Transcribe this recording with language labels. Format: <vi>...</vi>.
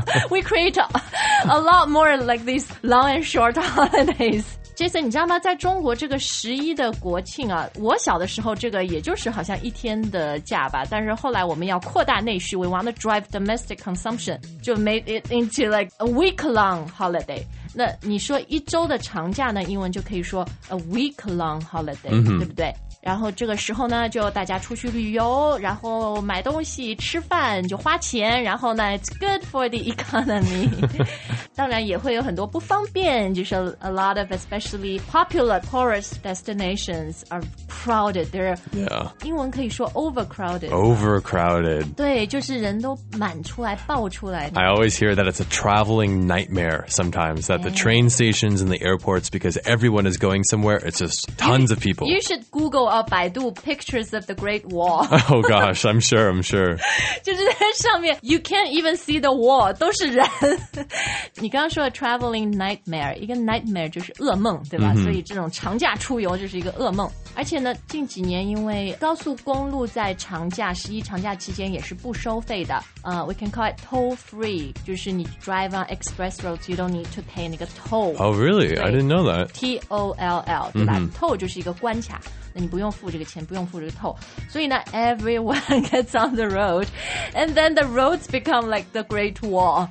<en>We create a lot more like these long and short holidays.</en> <zh>Jason, 你知道吗？在中国这个十一的国庆啊，我小的时候这个也就是好像一天的假吧。</zh> <en>但是后来我们要扩大内需，we want to drive domestic consumption，就 made it into like a week long holiday。</en> <zh>那你说一周的长假呢？英文就可以说 a week long holiday，、 mm-hmm. 对不对？然后这个时候呢就大家出去旅游然后买东西吃饭就花钱然后呢 it's good for the economy 当然也会有很多不方便就是 a lot of especially popular tourist destinations are crowded they're、 yeah. 英文可以说 overcrowded</zh> <en>overcrowded</en> <zh>对就是人都满出来爆出来</zh> <en>I always hear that it's a traveling nightmare sometimes that the train stations and the airports because everyone is going somewhere it's just tons of people you should googleBaidu pictures of the Great Wall. Oh gosh, I'm sure, I'm sure. 就是在上面 you can't even see the wall, 都是人。</en> <zh>你刚刚说的 traveling nightmare, 一个 nightmare 就是噩梦对吧、 mm-hmm. 所以这种长假出游就是一个噩梦。而且呢近几年因为高速公路在长假十一长假期间也是不收费的。</zh> <en>We can call it toll free, 就是你 drive on express roads, you don't need to pay 那个 toll. Oh really? I didn't know that. T-O-L-L, 对吧、 mm-hmm.</en> <zh>Toll 就是一个关卡。你不用付这个钱不用付这个toll所以呢 everyone gets on the road and then the roads become like the great wall、</zh>